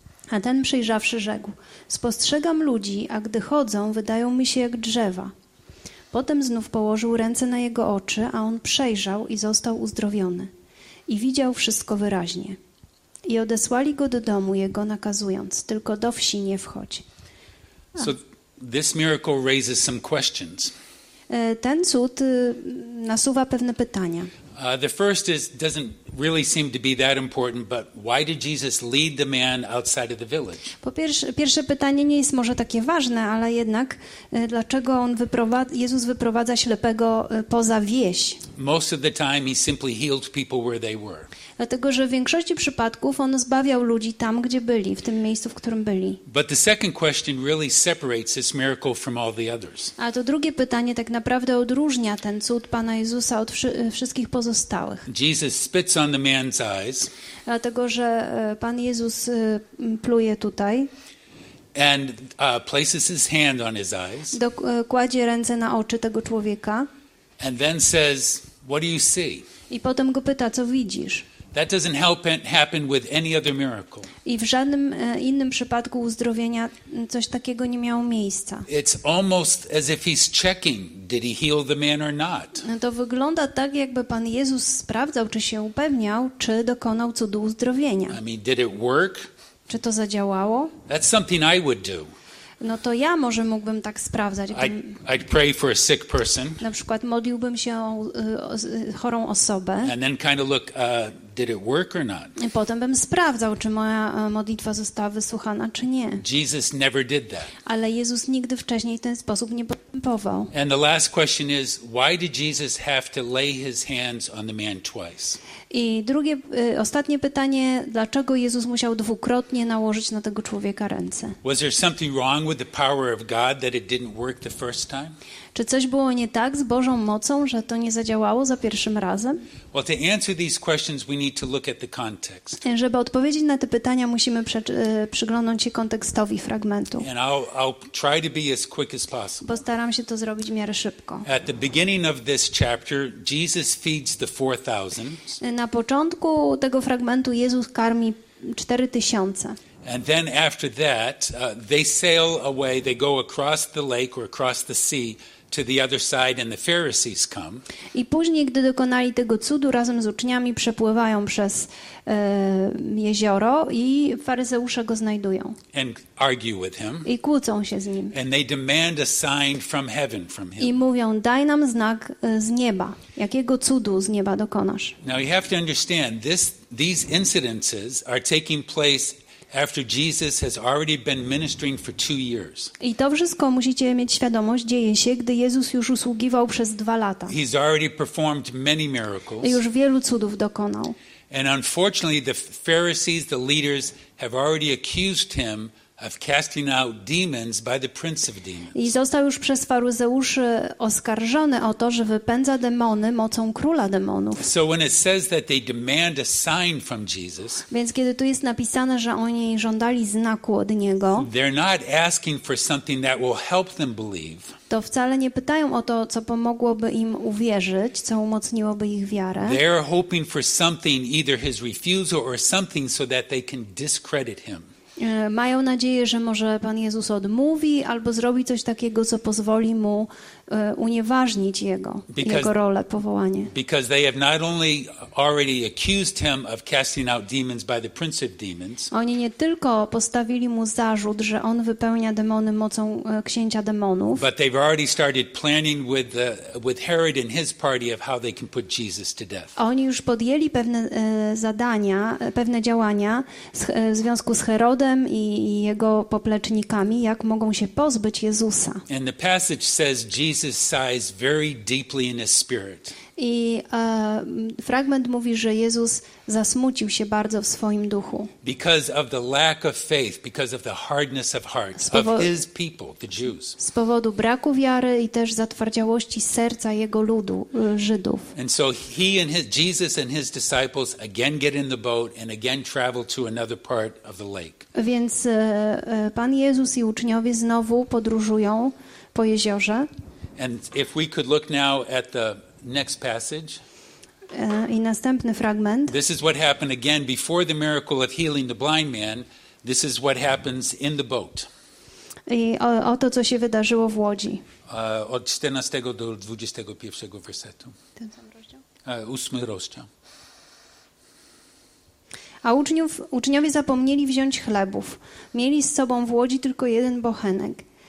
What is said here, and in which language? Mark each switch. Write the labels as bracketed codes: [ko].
[pl] A ten przejrzawszy rzekł, spostrzegam ludzi, a gdy chodzą, wydają mi się jak drzewa. Potem znów położył ręce na jego oczy, a on przejrzał i został uzdrowiony. I widział wszystko wyraźnie. I odesłali go do domu jego, nakazując, tylko do wsi nie wchodź. [en] So this miracle raises some questions. [pl] Ten cud nasuwa pewne pytania. [en] The first is doesn't really seem to be that important, but why did Jesus lead the man outside of the village? [pl] Pierwsze pytanie nie jest może takie ważne, ale jednak dlaczego Jezus wyprowadza ślepego poza wieś? [en] Most of the time he simply healed people where they were. [pl] Dlatego, że w większości przypadków on zbawiał ludzi tam, gdzie byli, w tym miejscu, w którym byli. [en] But the second question really separates this miracle from all the others. [pl] A to drugie pytanie tak naprawdę odróżnia ten cud Pana Jezusa od wszystkich pozostałych. [en] Jesus spits on the man's eyes. [pl] Dlatego, że Pan Jezus pluje tutaj. [en] And places his hand on his eyes. [pl] Kładzie ręce na oczy tego człowieka. [en] And then says, what do you see? [pl] I potem go pyta, co widzisz? [en] That doesn't happen with any other miracle. [pl] I w żadnym innym przypadku uzdrowienia coś takiego nie miało miejsca. [en] It's almost as if he's checking, did he heal the man or not? [pl] No to wygląda tak, jakby Pan Jezus sprawdzał, czy się upewniał, czy dokonał cudu uzdrowienia. [en] I mean, did it work? [pl] Czy to zadziałało? [en] That's something I would do. [pl] No to ja może mógłbym tak sprawdzać. [en] I'd pray for a sick person. [pl] Na przykład modliłbym się o chorą osobę. [en] And then kind of look, did it work or not? [pl] I potem bym sprawdzał, czy moja modlitwa została wysłuchana, czy nie. [en] Jesus never did that. [pl] Ale Jezus nigdy wcześniej w ten sposób nie postępował. [en] And the last question is, why did Jesus have to lay his hands on the man twice? [pl] I drugie, ostatnie pytanie, dlaczego Jezus musiał dwukrotnie nałożyć na tego człowieka ręce? [en] Was there something wrong with the power of God that it didn't work the first time? [pl] Czy coś było nie tak z Bożą mocą, że to nie zadziałało za pierwszym razem? [en] Well, to answer these questions, we need to look at the context. [pl] Żeby odpowiedzieć na te pytania, musimy przyglądnąć się kontekstowi fragmentu. [en] And I'll try to be as quick as possible. [pl] Postaram się to zrobić w miarę szybko. [en] At the beginning of this chapter, Jesus feeds the 4,000. [pl] Na początku tego fragmentu Jezus karmi 4,000. [en] And then after that, they sail away, they go across the lake or across the sea to the other side and the Pharisees come. [pl] I później, gdy dokonali tego cudu, razem z uczniami przepływają przez jezioro i faryzeusze go znajdują. [en] And argue with him. [pl] I kłócą się z nim. [en] And they demand a sign from heaven from him. [pl] I mówią: daj nam znak z nieba, jakiego cudu z nieba dokonasz. [en] Now you have to understand this, these incidences are taking place after Jesus has already been ministering for 2 years. [pl] I to wszystko musicie mieć świadomość, dzieje się, gdy Jezus już usługiwał przez 2 lata. [en] He's already performed many miracles. [pl] I już wielu cudów dokonał. [en] And unfortunately, the Pharisees, the leaders, have already accused him of casting out demons by the prince of demons. [pl] I został już przez faryzeuszy oskarżony o to, że wypędza demony mocą króla demonów. [en] So when it says that they demand a sign from Jesus. [pl] Więc kiedy tu jest napisane, że oni żądali znaku od niego. [en] They're not asking for something that will help them believe. [pl] To wcale nie pytają o to, co pomogłoby im uwierzyć, co umocniłoby ich wiarę. [en] They're hoping for something, either his refusal or something, so that they can discredit him. [pl] Mają nadzieję, że może Pan Jezus odmówi albo zrobi coś takiego, co pozwoli mu unieważnić jego, jego rolę, powołanie. [en] Because they have not only already accused him of casting out demons by the prince of demons. [pl] Oni nie tylko postawili mu zarzut, że on wypełnia demony mocą księcia demonów. [en] But they've already started planning with Herod and his party of how they can put Jesus to death. [pl] Oni już podjęli pewne zadania, pewne działania w związku z Herodem i jego poplecznikami, jak mogą się pozbyć Jezusa. [en] And the passage says Jesus sighs very deeply in his spirit. [pl] I fragment mówi, że Jezus zasmucił się bardzo w swoim duchu. [en] Because of the lack of faith, because of the hardness of hearts of his people, the Jews. [pl] Z powodu braku wiary i też zatwardziałości serca jego ludu, Żydów. [en] And so he and his, Jesus and his disciples again get in the boat and again travel to another part of the lake. [pl] Więc Pan Jezus i uczniowie znowu podróżują po jeziorze. [en] And if we could look now at the next passage. [pl] I następny fragment. [en] This is what happened again before the miracle of healing the blind man. This is what happens in the boat. [pl] I o to, co się wydarzyło w łodzi. Od 14 do 21 wersetu. Ten sam rozdział? 8 rozdział. A uczniowie zapomnieli wziąć chlebów. Mieli z sobą w łodzi tylko jeden bochenek.